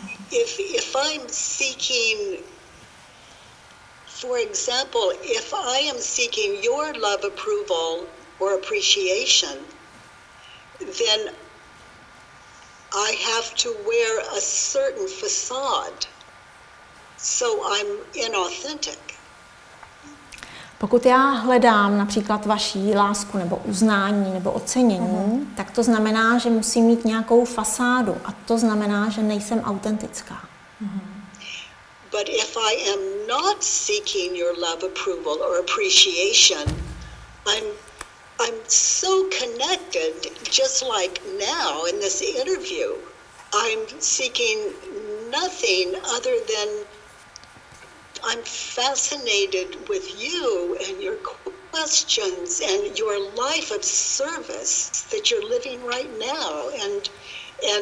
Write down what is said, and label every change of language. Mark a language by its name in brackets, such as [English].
[English] If I'm seeking, for example, if I am seeking your love approval or appreciation, then I have to wear a certain facade, so I'm inauthentic. [Czech] Pokud já hledám například vaši lásku nebo uznání nebo ocenění, tak to znamená, že musím mít nějakou fasádu a to znamená, že nejsem autentická. [English] But if I am not seeking your love approval or appreciation, I'm so connected, just like now in this interview. I'm seeking nothing other than I'm fascinated with you and your questions and your life of service that you're living right now.